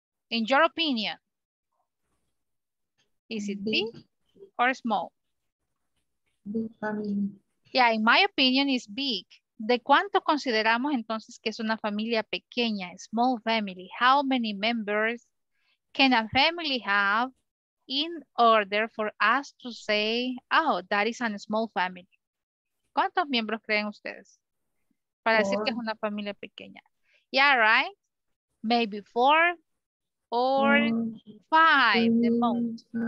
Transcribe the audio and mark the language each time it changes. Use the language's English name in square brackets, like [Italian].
[English] In your opinion, is it big or small? Big family. Yeah, in my opinion, it's big. [Spanish] ¿De cuánto consideramos entonces que es una familia pequeña, [English] small family? How many members can a family have in order for us to say, oh, that is a small family? [Spanish] ¿Cuántos miembros creen ustedes? Para four. Decir que es una familia pequeña. [English] Yeah, right? Maybe four or five, the most.